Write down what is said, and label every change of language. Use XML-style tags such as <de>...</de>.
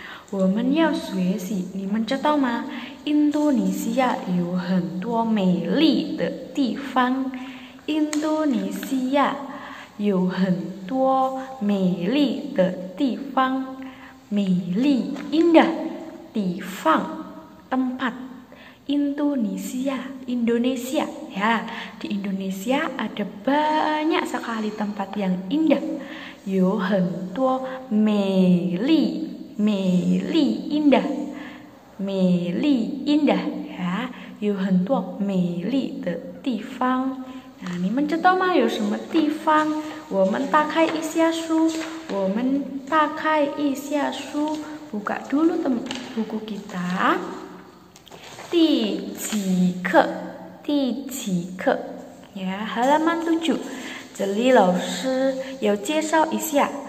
<zh>我们要学习，你们知道吗？印度尼西亚有很多美丽的地方，印度尼西亚有很多美丽的地方，美丽 indah 地方 tempat， 印度尼西亚 Indonesia ya，</zh> <id>di Indonesia ada banyak sekali tempat yang indah，</id> <zh>有很多美丽。</zh> <id>Meli indah, meli indah ya,</id> <zh>有很多美丽的地方。那你们知道吗？有什么地方？我们打开一下书，我们打开一下书，</zh> <id>buka dulu buku kita。</id> <zh>第几课？第几课？呀，</zh> <id>halaman 7。</id> <zh>这里老师要介绍一下。</zh>